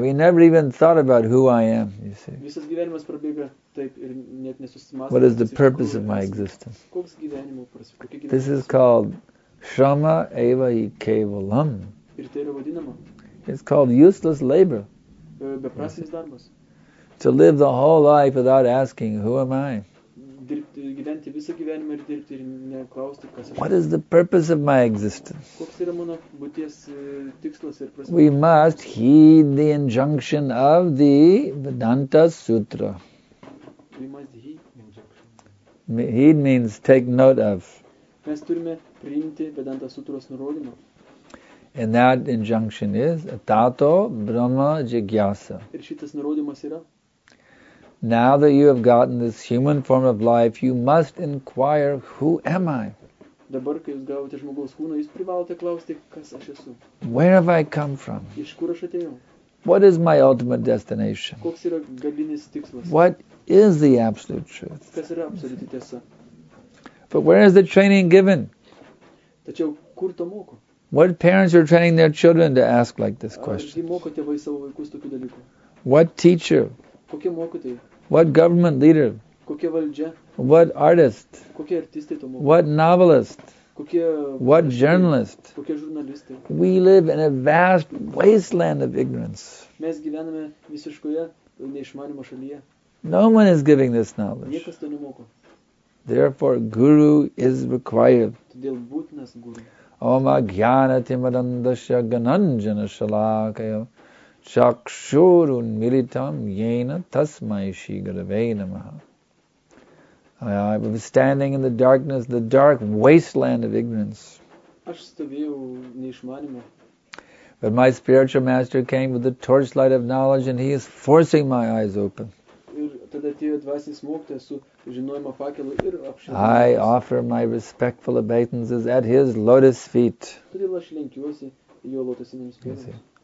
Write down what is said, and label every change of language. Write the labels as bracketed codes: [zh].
[en] We never even thought about who I am, you see. [lt] Visas gyvenimas prabėga taip ir net nesusimąstome. [en] What is the purpose of my existence? [lt] Koks gyvenimo prasmė? [en] This is called [sa] Shrama Eva Kevalam. [lt] Ir tai yra vadinama. [en] It's called useless labor. [lt] Beprasmis darbas. [en] To live the whole life without asking, who am I? [lt] gyventi visą gyvenimą ir dirbti ir neklausti, kas aš. [en] What is the purpose of my existence? [lt] Koks yra mano būties tikslas ir prasmė? [en] We must heed the injunction of the Vedanta Sutra. We must heed the injunction. Heed means take note of. [lt] Mes turime priimti Vedanta Sutros nurodymą. [en] And that injunction is [sa] Tato Brahma Jigyasa. [lt] Ir šitas nurodymas yra? [en] Now that you have gotten this human form of life, you must inquire, who am I? [lt] Dabar, kai jūs gavote žmogaus kūną, jūs privalote klausti, kas aš esu. [en] Where have I come from? [lt] Iš kur aš atėjau? [en] What is my ultimate destination? [lt] Koks yra galinis tikslas? [en] What is the absolute truth? [lt] Kas yra absoliuti tiesa? [en] But where is the training given? [lt] Tačiau kur to moko? [en] What parents are training their children to ask like this question? [lt] Kai mokote savo vaikus tokių dalykų? [en] What teacher? [lt] Kokie mokytojai? [en] What government leader? [lt] Kokia valdžia? [en] What artist? [lt] Kokie artistai to moko? [en] What novelist? [lt] Kokie [en] What journalist? [lt] Kokie žurnalistai? [en] We live in a vast wasteland of ignorance. [lt] Mes gyvename visiškoje neišmanimo šalyje. [en] No one is giving this knowledge. [lt] Niekas to nemoko. [en] Therefore, guru is required. [lt] Todėl būtinas guru. [sa] Om Agyana Timarandasya Gananjana Shalakaya Chakshurun Militam Yena Tasmai Shri Gurave Namaha. [en] I was standing in the darkness, the dark wasteland of ignorance. [lt] Aš stovėjau neišmanimo. [en] But my spiritual master came with the torchlight of knowledge and he is forcing my eyes open. [lt] Ir tada atėjo dvasinis mokytojas su žinojimo fakelu ir apšvietimu. [en] I offer my respectful obeisances at his lotus feet. [lt] Todėl aš lenkiuosi jo lotosinėms pėdoms.